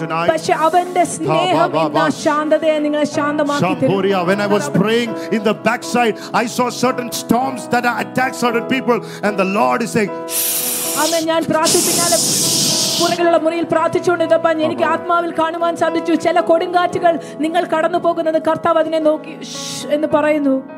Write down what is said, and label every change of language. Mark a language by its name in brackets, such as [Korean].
[Malayalam] പക്ഷേ അവന്റെ സ്നേഹം ഇന്ന് ആ ശാന്തതയെ നിങ്ങളെ ശാന്തമാക്കിത്തരും. [English] When I was praying in the back side, I saw certain storms that attacked certain people and the Lord is saying, [Malayalam] അമേൻ. ഞാൻ പ്രാർത്ഥിപ്പിനാലെ പുറകിലുള്ള മുറിയിൽ പ്രാർത്ഥിച്ചുകൊണ്ടിരുന്നപ്പോൾ എനിക്ക് ആത്മാവിൽ കാണുവാൻ സാധിച്ചു ചില കൊടുങ്കാറ്റുകൾ നിങ്ങൾ കടന്നു പോകുന്നത് കർത്താവ് അതിനെ നോക്കി എന്ന് പറയുന്നു.